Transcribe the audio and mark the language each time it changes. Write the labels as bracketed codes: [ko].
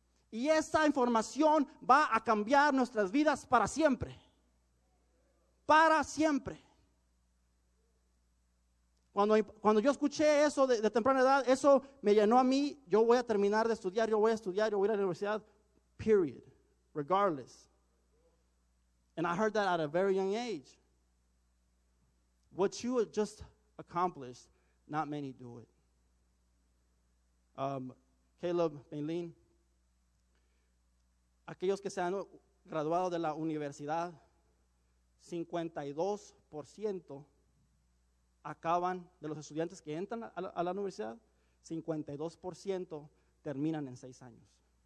[es] Y esa información va a cambiar nuestras vidas para siempre. Para siempre. Cuando yo escuché eso de temprana edad, eso me llenó a mí. Yo voy a terminar de estudiar, yo voy a estudiar, yo voy a ir a la universidad. [en] Period. Regardless. And I heard that at a very young age. What you have just accomplished, not many do it. [es] Caleb, Maylene, aquellos que se han graduado de la universidad, 52% acaban, de los estudiantes que entran a la universidad, 52% terminan en 6 años.